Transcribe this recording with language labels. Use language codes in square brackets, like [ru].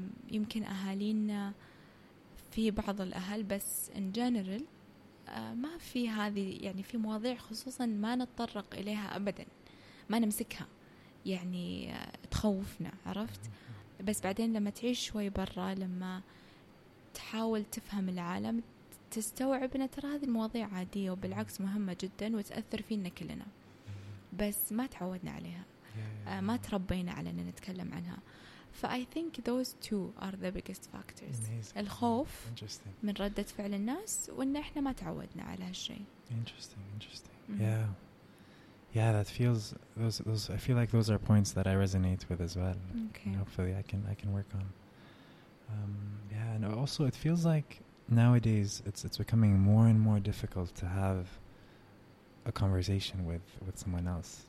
[ar] يمكن أهالينا, في بعض الأهل, بس in general ما في هذه يعني في مواضيع خصوصا ما نتطرق إليها أبدا, ما نمسكها يعني تخوفنا, عرفت؟ بس بعدين لما تعيش شوي برا, لما تحاول تفهم العالم, تستوعب أن ترى هذه المواضيع عادية وبالعكس مهمة جدا وتأثر فينا كلنا, بس ما تعودنا عليها, ما تربينا على أن نتكلم عنها. [en] فأي think those two are the biggest factors. Amazing. [ar] الخوف من ردة فعل الناس وإن إحنا ما تعودنا على هالشيء. [en] Interesting. Yeah, that feels those. I feel like those are points that I resonate with as well. Okay. And hopefully, I can work on. Yeah, and also it feels like nowadays it's becoming more and more difficult to have a conversation with someone else.